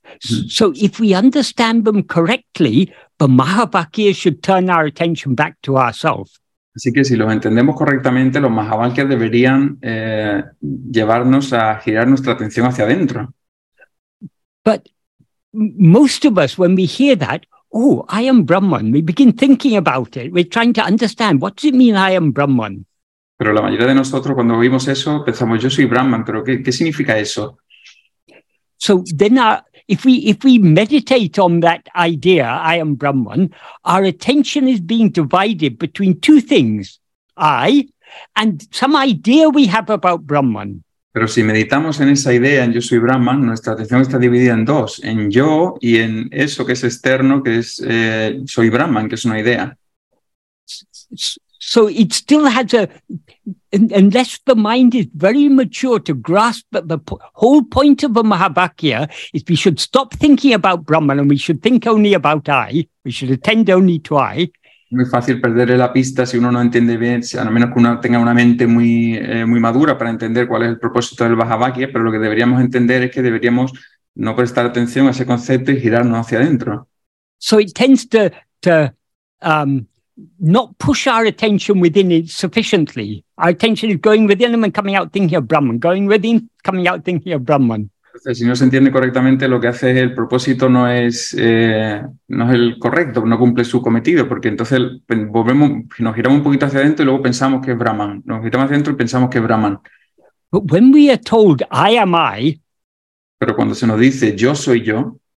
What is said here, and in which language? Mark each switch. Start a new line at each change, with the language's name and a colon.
English: So if we understand them correctly, the Mahavakya should turn our attention back to ourselves.
Spanish: Así que si los entendemos correctamente, los mahavakyas deberían llevarnos a girar nuestra atención hacia adentro.
English: But most of us, when we hear that, oh, I am Brahman, we begin thinking about it. We're trying to understand, what does it mean, I am Brahman?
Spanish: Pero la mayoría de nosotros, cuando oímos eso, pensamos, yo soy Brahman, pero ¿qué significa eso?
English: So then if we meditate on that idea, I am Brahman, our attention is being divided between two things, I and some idea we have about Brahman.
Spanish: Pero si meditamos en esa idea, en yo soy Brahman, nuestra atención está dividida en dos, en yo y en eso que es externo, que es soy Brahman, que es una idea.
English: So it still has a, unless the mind is very mature to grasp that the whole point of a Mahavakya is we should stop thinking about Brahman and we should think only about I, we should attend only to I.
Spanish: Muy fácil perderle la pista si uno no entiende bien, a lo menos que uno tenga una mente muy, muy madura para entender cuál es el propósito del Mahavakya, pero lo que deberíamos entender es que deberíamos no prestar atención a ese concepto y girarnos hacia adentro.
English: So it tends to not push our attention within it sufficiently. Our attention is going within and coming out thinking of Brahman, going within, coming out thinking of Brahman.
Spanish: Si no se entiende correctamente, lo que hace es el propósito no es el correcto, no cumple su cometido, porque entonces volvemos, nos giramos un poquito hacia adentro y luego pensamos que es Brahman. Nos giramos hacia adentro y pensamos que es Brahman.
English: But when we are told, I am I,
Spanish: pero cuando se nos dice yo soy yo,